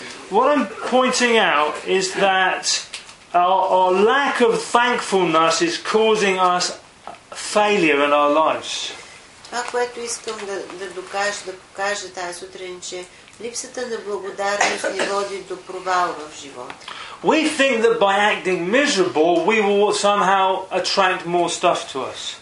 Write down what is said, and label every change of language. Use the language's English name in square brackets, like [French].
[English] What I'm pointing out is that our lack of thankfulness is causing us failure in our lives. [Bulgarian] Това, което искам да покажа тази сутрин, че липсата на благодарност ни води до провал в живота. [English] We think that by acting miserable, we will somehow attract more stuff to us.